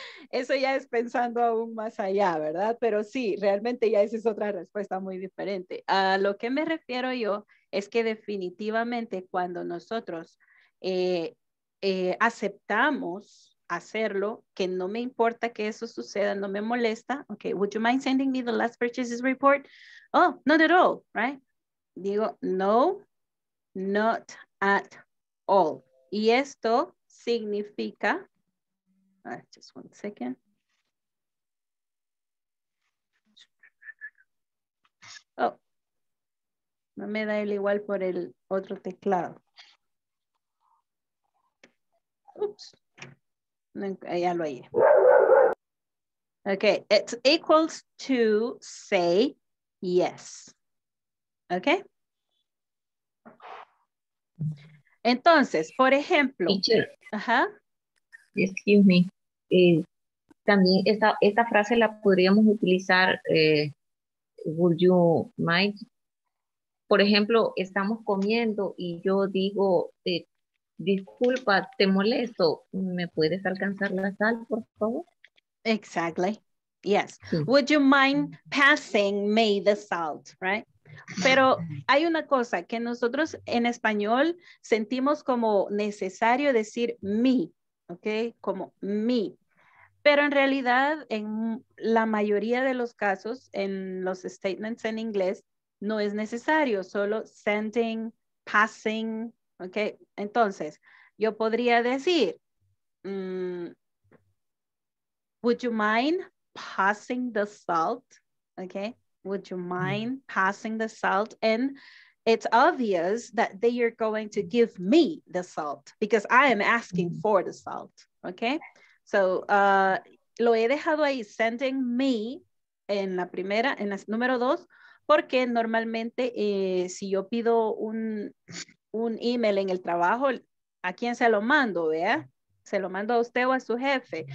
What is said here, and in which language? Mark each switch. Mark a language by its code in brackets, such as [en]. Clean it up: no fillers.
[es] Eso ya es pensando aún más allá, ¿verdad? Pero sí, realmente ya esa es otra respuesta muy diferente. A lo que me refiero yo es que definitivamente cuando nosotros aceptamos hacerlo, que no me importa que eso suceda, no me molesta. [en] Okay, would you mind sending me the last purchases report? Oh, not at all, right? [es] Digo, no, [en] not at all. [es] Y esto significa... [en] just one second. [es] Oh, no me da el igual por el otro teclado. [en] Oops, [es] no, ya lo hallé. [en] Okay, it equals to say yes. Okay. [es] Entonces, por ejemplo. [en] Excuse me. [es] También esta frase la podríamos utilizar [en] would you mind [es] por ejemplo, estamos comiendo y yo digo, disculpa, te molesto, ¿me puedes alcanzar la sal, por favor? [en] Exactly. Yes. Sí. Would you mind passing me the salt, right? [es] Pero hay una cosa que nosotros en español sentimos como necesario decir me, okay? Como me. Pero en realidad, en la mayoría de los casos, en los statements en inglés, no es necesario, solo sending, passing, okay? Entonces, yo podría decir, [en] would you mind passing the salt, okay? Would you mind passing the salt? And it's obvious that they are going to give me the salt because I am asking for the salt, okay? [es] So, lo he dejado ahí, sending me, en la primera, en la número dos, porque normalmente si yo pido un email en el trabajo, ¿a quién se lo mando, vea? Se lo mando a usted o a su jefe.